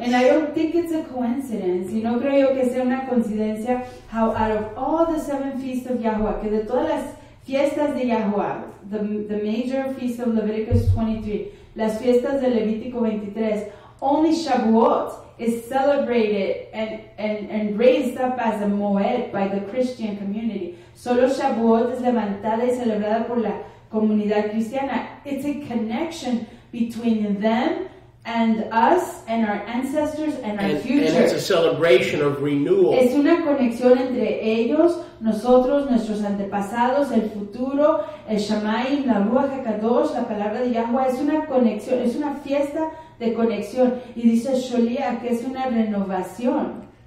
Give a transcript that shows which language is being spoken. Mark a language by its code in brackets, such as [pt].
[en] And I don't think it's a coincidence. [es] Y no creo yo que sea una coincidencia [en] how out of all the seven feasts of Yahuwah, [es] que de todas las fiestas de Yahuwah, [en] the major feast of Leviticus 23, [es] las fiestas de Levítico 23, [en] only Shavuot is celebrated and raised up as a moed by the Christian community. [es] Solo Shavuot es levantada y celebrada por la comunidad cristiana. [en] It's a connection between them and us and our ancestors and our future. And it's a celebration of renewal. [es] Es una conexión entre ellos, nosotros, nuestros antepasados, el futuro, el Shamayim, la Ruach HaKadosh, la palabra de Yahuwah. Es una conexión, es una fiesta de conexión, y dice Sholia que es una renovación.